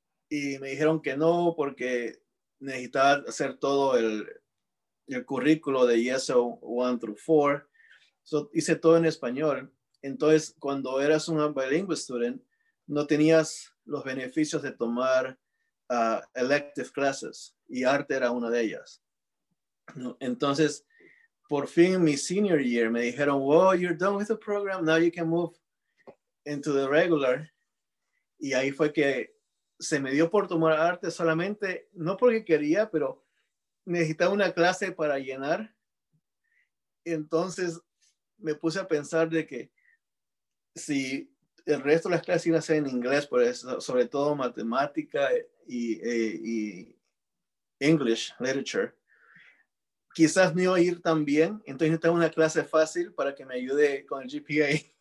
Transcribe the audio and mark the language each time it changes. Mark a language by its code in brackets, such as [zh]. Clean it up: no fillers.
[es] Y me dijeron que no, porque necesitaba hacer todo el currículo de ESL 1 through 4. So, hice todo en español. Entonces, cuando eras un [en] bilingual student, [es] no tenías los beneficios de tomar [en] elective classes, [es] y arte era una de ellas, ¿no? Entonces, por fin mi [en] senior year [es] me dijeron, [en] well, you're done with the program, now you can move into the regular. [es] Y ahí fue que se me dio por tomar arte, solamente no porque quería, pero necesitaba una clase para llenar. Entonces me puse a pensar de que si el resto de las clases iban a ser en inglés, por eso, sobre todo matemática y English, literature, quizás no iba a ir tan bien, entonces necesitaba una clase fácil para que me ayude con el GPA.